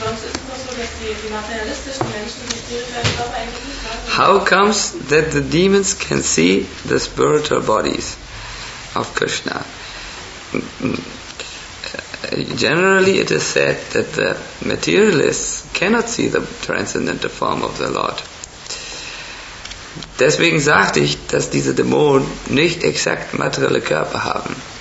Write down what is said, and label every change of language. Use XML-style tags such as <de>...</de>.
<de>Sonst ist es nur so, dass die materialistischen Menschen die spirituellen Körper eigentlich nicht wahrnehmen.</de> <en>How comes that the demons can see the spiritual bodies of Krishna? Generally, it is said that the materialists cannot see the transcendental form of the Lord.</en> <de>Deswegen sagte ich, dass diese Dämonen nicht exakt materielle Körper haben.</de>